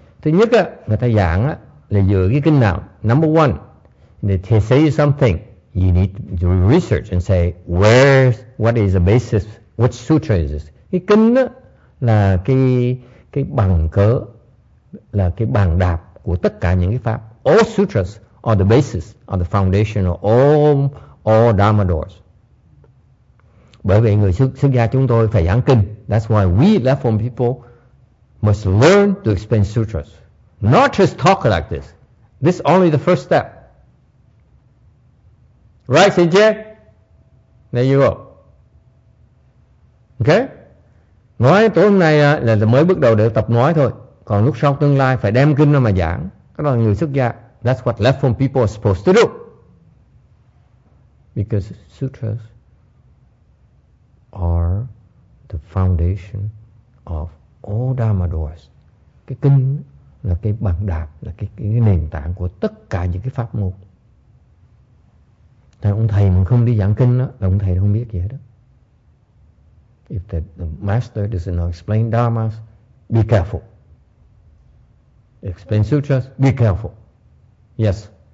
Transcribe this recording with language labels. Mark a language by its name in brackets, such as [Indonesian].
[Vietnamese] Thứ nhất á, người ta giảng á, là dựa cái kinh nào. [English] Number one, they say something, you need to research and say where, what is the basis, which sutra is this. [Vietnamese] Cái kinh đó là cái bằng cớ, là cái bàn đạp của tất cả những cái pháp. [English] All sutras are the basis, are the foundation of all dharma doors. [Vietnamese] Bởi vì người xuất gia chúng tôi phải giảng kinh. [English] That's why we left home people must learn to explain sutras. Not just talk like this. This is only the first step. Right, Sinje? There you go. Okay? [Vietnamese] Nói tối hôm nay là mới bước đầu để tập nói thôi. Còn lúc sau tương lai phải đem kinh ra mà giảng. Cái đó là người xuất gia. [English] That's what left home people are supposed to do. Because sutras are the foundation of all dharma doors. [Vietnamese] Cái kinh là cái bàn đạp, là cái nền tảng của tất cả những cái pháp môn. Thì ông thầy mà không đi giảng kinh đó, là ông thầy không biết gì hết đó. [English] If the master does not explain dharmas, be careful. Explain sutras, be careful. Yes.